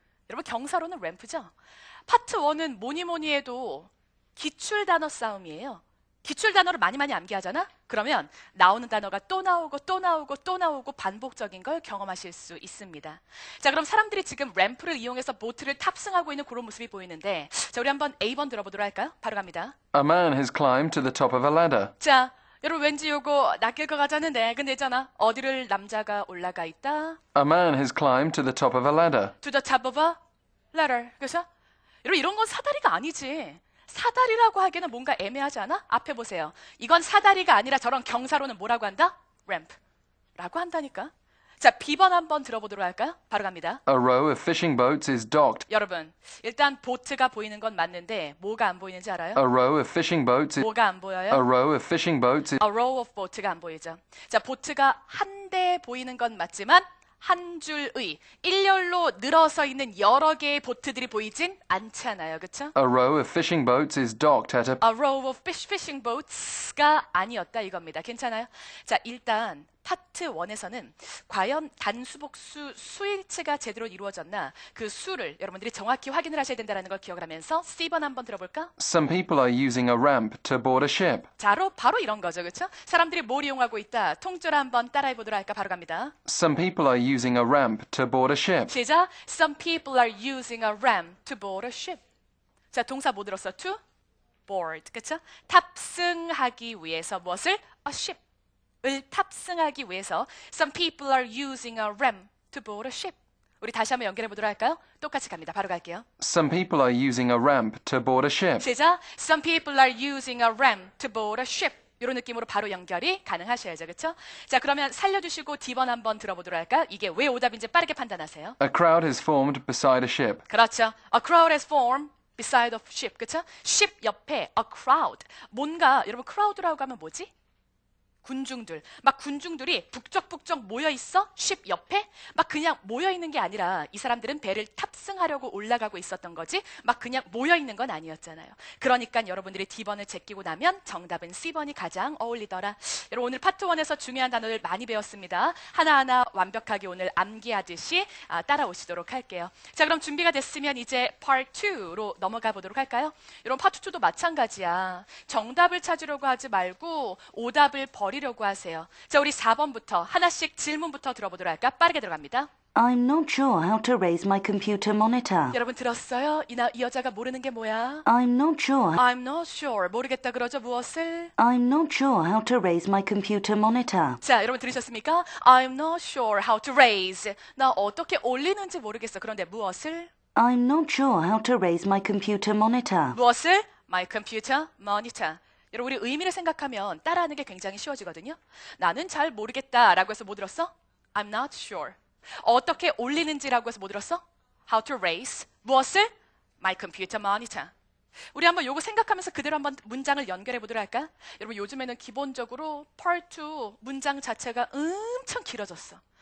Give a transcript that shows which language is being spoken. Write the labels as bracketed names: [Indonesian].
[Korean] 여러분 경사로는 램프죠? 파트 1은 뭐니뭐니 해도 기출 단어 싸움이에요. 기출 단어를 많이 많이 암기하잖아? 그러면 나오는 단어가 또 나오고 또 나오고 또 나오고 반복적인 걸 경험하실 수 있습니다. 자, 그럼 사람들이 지금 램프를 이용해서 보트를 탑승하고 있는 그런 모습이 보이는데 자, 우리 한번 A번 들어보도록 할까요? 바로 갑니다. [English] A man has climbed to the top of a ladder. [Korean] 자, 여러분 왠지 요거 낚일 것 같았는데 근데 있잖아 어디를 남자가 올라가 있다? [English] A man has climbed to the top of a ladder. To the top of a ladder. [Korean] 그렇죠? 여러분 이런 건 사다리가 아니지. 사다리라고 하기에는 뭔가 애매하지 않아? 앞에 보세요. 이건 사다리가 아니라 저런 경사로는 뭐라고 한다? Ramp. 라고 한다니까. 자, B번 한번 들어보도록 할까요? 바로 갑니다. [English] A row of fishing boats is docked. [Korean] 여러분, 일단 보트가 보이는 건 맞는데 뭐가 안 보이는지 알아요? [English] A row of fishing boats is... [Korean] 뭐가 안 보여요? [English] A row of fishing boats is... A row of boats가 [Korean] 안 보이죠. 자, 보트가 한 대 보이는 건 맞지만 한 줄의, 일렬로 늘어서 있는 여러 개의 보트들이 보이진 않잖아요, 그렇죠? [English] A row of fishing boats is docked at a... A row of fishing boats [Korean] 가 아니었다 이겁니다. 괜찮아요? 자, 일단... 파트 1에서는 과연 단수복수 수일치가 제대로 이루어졌나 그 수를 여러분들이 정확히 확인을 하셔야 된다는 걸 기억을 하면서 C번 한번 들어볼까? [English] Some people are using a ramp to board a ship. [Korean] 바로 이런 거죠, 그렇죠? 사람들이 뭘 이용하고 있다? 통째로 한번 따라해 보도록 할까? 바로 갑니다. [English] Some people are using a ramp to board a ship. [Korean] 시작! [English] Some people are using a ramp to board a ship. [Korean] 자, 동사 뭐 들었어? [English] To board, [Korean] 그렇죠? 탑승하기 위해서 무엇을? [English] A ship. [Korean] 을 탑승하기 위해서 [English] Some people are using a ramp to board a ship. [Korean] 우리 다시 한번 연결해 보도록 할까요? 똑같이 갑니다. 바로 갈게요. [English] Some people are using a ramp to board a ship. [Korean] 시작! [English] Some people are using a ramp to board a ship. [Korean] 이런 느낌으로 바로 연결이 가능하셔야죠. 그렇죠? 자, 그러면 살려주시고 D번 한번 들어보도록 할까요? 이게 왜 오답인지 빠르게 판단하세요. [English] A crowd has formed beside a ship. [Korean] 그렇죠. [English] A crowd has formed beside a ship. [Korean] 그렇죠? [English] Ship [Korean] 옆에 [English] a crowd. [Korean] 뭔가 여러분 crowd라고 하면 뭐지? 군중들, 막 군중들이 북적북적 모여있어? ship 옆에? 막 그냥 모여있는 게 아니라 이 사람들은 배를 탑승하려고 올라가고 있었던 거지 막 그냥 모여있는 건 아니었잖아요. 그러니까 여러분들이 D번을 제끼고 나면 정답은 C번이 가장 어울리더라. 여러분 오늘 파트 1에서 중요한 단어를 많이 배웠습니다. 하나하나 완벽하게 오늘 암기하듯이 따라오시도록 할게요. 자, 그럼 준비가 됐으면 이제 파트 2로 넘어가 보도록 할까요? 여러분 파트 2도 마찬가지야. 정답을 찾으려고 하지 말고 오답을 버리려고 하세요. 자, 우리 4번부터 하나씩 질문부터 들어보도록 할까? 빠르게 들어갑니다. [English] I'm not sure how to raise my computer monitor. [Korean] 여러분 들었어요? 이 여자가 모르는 게 뭐야? [English] I'm not sure. I'm not sure. [Korean] 모르겠다 그러죠? 무엇을? [English] I'm not sure how to raise my computer monitor. [Korean] 자, 여러분 들으셨습니까? [English] I'm not sure how to raise. [Korean] 나 어떻게 올리는지 모르겠어. 그런데 무엇을? [English] I'm not sure how to raise my computer monitor. [Korean] 무엇을? [English] My computer monitor. [Korean] 여러분 우리 의미를 생각하면 따라하는 게 굉장히 쉬워지거든요. 나는 잘 모르겠다 라고 해서 뭐 들었어? [English] I'm not sure. [Korean] 어떻게 올리는지 라고 해서 뭐 들었어? [English] How to raise. [Korean] 무엇을? [English] My computer monitor. [Korean] 우리 한번 요거 생각하면서 그대로 한번 문장을 연결해 보도록 할까? 여러분 요즘에는 기본적으로 part 2 문장 자체가 엄청 길어졌어.